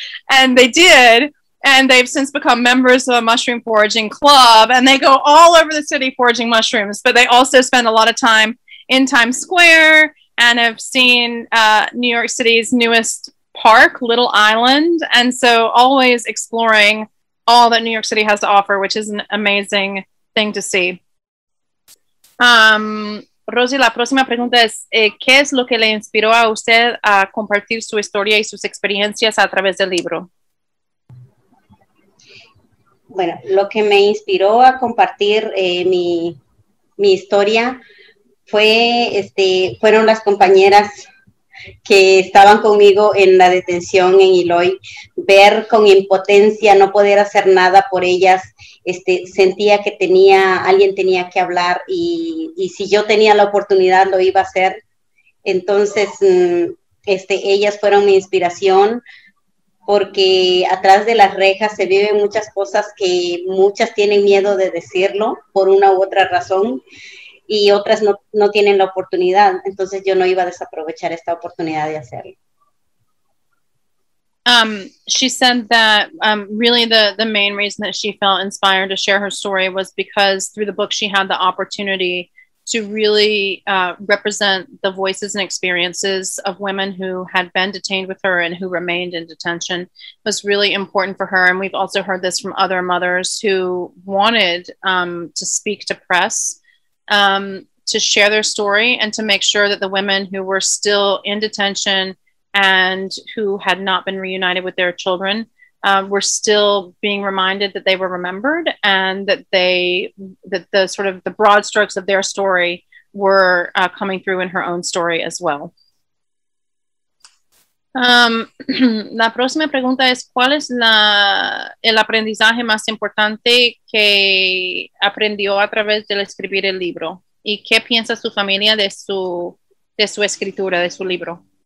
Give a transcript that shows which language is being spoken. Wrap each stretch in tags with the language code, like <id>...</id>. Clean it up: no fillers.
<en>And they did. And they've since become members of a mushroom foraging club, and they go all over the city foraging mushrooms, but they also spend a lot of time in Times Square, and have seen New York City's newest park, Little Island. And so always exploring all that New York City has to offer, which is an amazing thing to see.</en> <es>Rosy, la próxima pregunta es, ¿qué es lo que le inspiró a usted a compartir su historia y sus experiencias a través del libro? Bueno, lo que me inspiró a compartir mi historia fueron las compañeras que estaban conmigo en la detención en Eloy, ver con impotencia, no poder hacer nada por ellas, sentía que alguien tenía que hablar y si yo tenía la oportunidad lo iba a hacer. Entonces, ellas fueron mi inspiración porque atrás de las rejas se viven muchas cosas que muchas tienen miedo de decirlo por una u otra razón, y otras no tienen la oportunidad. Entonces yo no iba a desaprovechar esta oportunidad de hacerlo.</es> <en>She said that really the main reason that she felt inspired to share her story was because through the book she had the opportunity to really represent the voices and experiences of women who had been detained with her and who remained in detention. It was really important for her. And we've also heard this from other mothers who wanted to speak to press, to share their story and to make sure that the women who were still in detention and who had not been reunited with their children were still being reminded that they were remembered, and that they, that the sort of the broad strokes of their story were coming through in her own story as well.</en> <es>La próxima pregunta es, ¿cuál es la, el aprendizaje más importante que aprendió a través del escribir el libro? ¿Y qué piensa su familia de su escritura, de su libro?</es>